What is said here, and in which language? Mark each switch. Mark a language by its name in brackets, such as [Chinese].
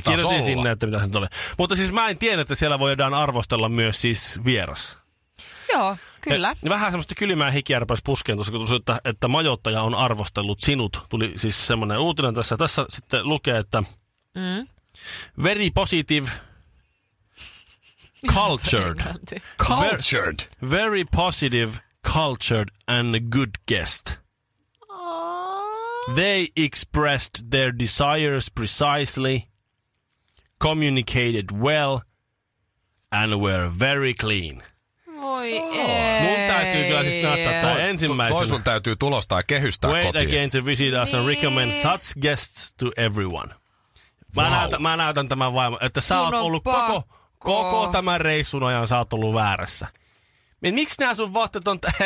[Finnish] Kirjoitin sinne, että mitä se oli. Mutta siis mä en tiedä, että siellä voidaan arvostella myös siis vieras. Joo, kyllä. Ja vähän semmoista kylmää hikiä rupesi puskeen tuossa, kun tuli, että majoittaja on arvostellut sinut. Tuli siis semmoinen uutinen tässä. Tässä sitten lukee, että [English] very positive cultured. Cultured. Very positive cultured and good guest. They expressed their desires precisely, communicated well, and were very clean. [Finnish] Voi ei. Mun täytyy kyllä siis näyttää tuo ensimmäisenä. Toi sun täytyy tulostaa ja kehystää [English] Wait [Finnish] kotiin. [English] Wait again to visit us and recommend such guests to everyone. [Finnish] Mä näytän tämän vaimon, että sä oot ollut koko tämän reissun ajan sä oot ollut väärässä. Miksi nää sun vaatteet on...